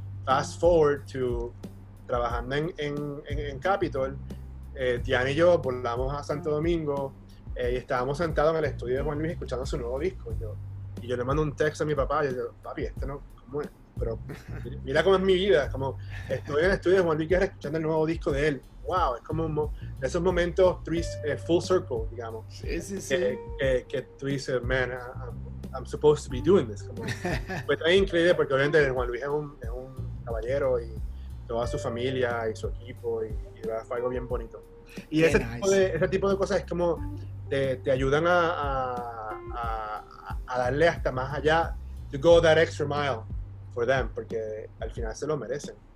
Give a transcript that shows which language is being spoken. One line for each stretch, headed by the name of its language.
English: Fast forward to
Spanish: trabajando en Capitol, Diana y yo volamos a Santo Domingo, y estábamos sentados en el estudio de Juan Luis escuchando su nuevo disco. Y yo le mando un texto a mi papá, y yo digo: papi, este no, ¿cómo es? Pero mira cómo es mi vida, como estoy en el estudio de Juan Luis Guerra escuchando el nuevo disco de él. ¡Wow! Es como de esos momentos,
English: full circle,
Spanish: digamos, Sí. que tú dices:
English: man, I'm supposed to be doing this.
Spanish: Como, pues es increíble, porque obviamente Juan Luis es un caballero, y toda su familia y su equipo, y fue algo bien bonito. Y Qué nice. ese tipo de cosas es como te ayudan a darle hasta más allá,
English: to go that extra mile for them,
Spanish: porque al final se lo merecen.